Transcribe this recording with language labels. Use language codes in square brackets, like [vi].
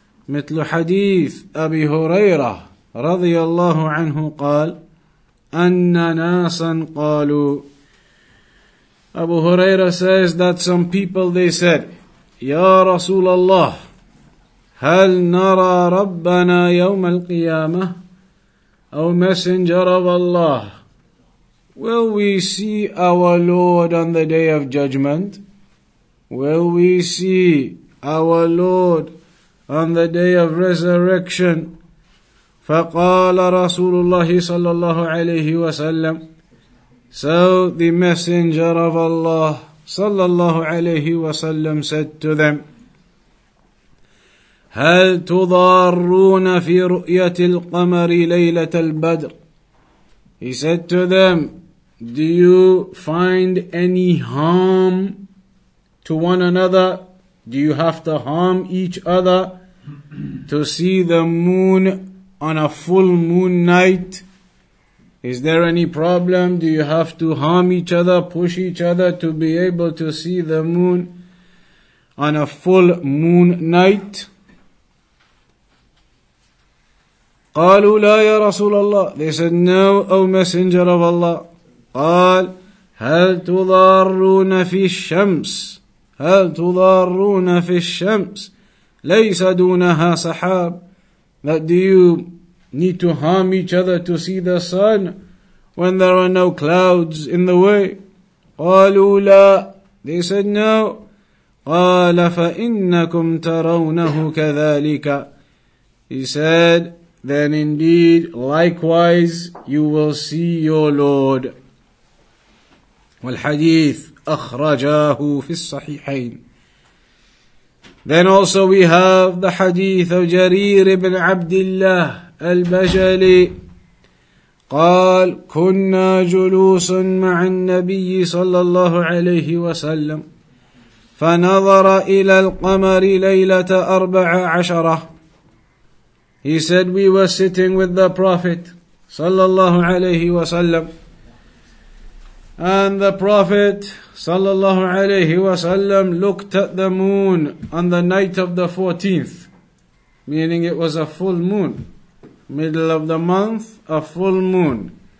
[ar] مثل حديث أبي هريرة رضي الله عنه قال أن ناسا قالوا [en] Abu Huraira says that some people they said [ar] يا رسول الله هل نرى ربنا يوم القيامة [en] O Messenger of Allah, will we see our Lord on the Day of Judgment? Will we see our Lord on the Day of Resurrection? [ar] فقال رسول الله صلى الله عليه وسلم. [en] So the messenger of Allah صلى الله عليه وسلم said to them, [ar] هل تضارون في رؤية القمر ليلة البدر. [en] He said to them, do you find any harm to one another? Do you have to harm each other to see the moon on a full moon night? Is there any problem? Do you have to harm each other, push each other to be able to see the moon on a full moon night? [ar] قالوا لا يا رسول الله. [en] They said, no, O Messenger of Allah. [ar] قال هل تضارون في الشمس. هل تضارون في الشمس ليس دونها سحاب. [en] That do you need to harm each other to see the sun when there are no clouds in the way? [ar] قالوا لا. [en] They said, no. [ar] قال فإنكم ترونه كذلك. [en] He said, then indeed, likewise, you will see your Lord. [ar] والحديث أخرجاه في الصحيحين. [en] Then also we have the hadith of جرير بن عبد الله البجلي. [ar] قال كنا جلوس مع النبي صلى الله عليه وسلم فنظر إلى القمر ليلة أربع عشرة. [en] He said, we were sitting with the Prophet sallallahu alayhi wasallam, and the Prophet sallallahu alayhi wasallam looked at the moon on the night of the 14th, meaning it was a full moon, middle of the month, a full moon.